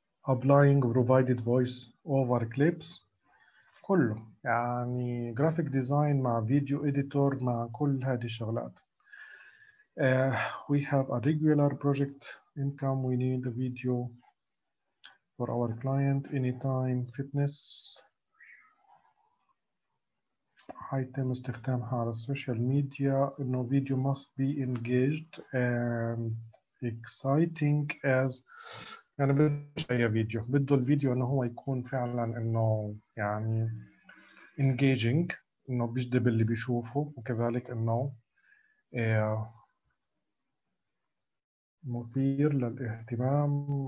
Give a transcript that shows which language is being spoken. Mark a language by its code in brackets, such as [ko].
[en] applying provided voice over clips، [ar] كله يعني [en] graphic design مع video editor [ar] مع كل هذه الشغلات. [en] We have a regular project income. We need a video for our client anytime fitness. [ar] حيتم استخدامها على السوشيال ميديا. إنه فيديو [en] must be engaged and exciting as، [ar] يعني مش أي فيديو، بده الفيديو إنه هو يكون فعلاً إنه يعني [en] engaging، [ar] إنه بيجذب اللي بيشوفه، وكذلك إنه مثير للاهتمام.